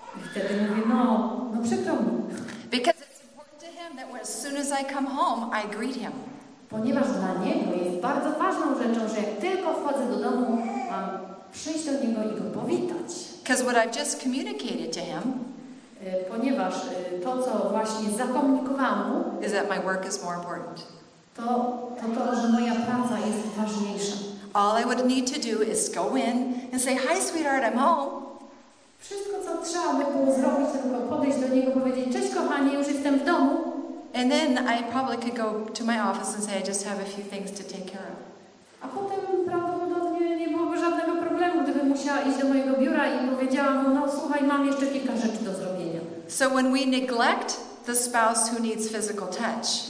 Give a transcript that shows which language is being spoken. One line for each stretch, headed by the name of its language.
Polish: Wtedy mówię, no przykro mi.
English: Because it's important to him that as soon as I come home, I greet him.
Polish: Ponieważ dla niego jest bardzo ważną rzeczą, że jak tylko wchodzę do domu, mam przyjść do niego i go powitać.
English: Because what I've just communicated to him,
Polish: ponieważ to, co właśnie zakomunikowałam mu,
English: is that my work is more important.
Polish: To, że moja praca jest ważniejsza.
English: All I would need to do is go in and say, hi, sweetheart, I'm home.
Polish: Wszystko, co trzeba by było zrobić, to tylko podejść do niego i powiedzieć, cześć kochanie, już jestem w domu.
English: And then I probably could go to my office and say, I just have a few things to take care of.
Polish: A potem prawdopodobnie nie byłoby żadnego problemu, gdybym musiała iść do mojego biura i powiedziała mu, no słuchaj, mam jeszcze kilka rzeczy do zrobienia.
English: So when we neglect the spouse who needs physical touch.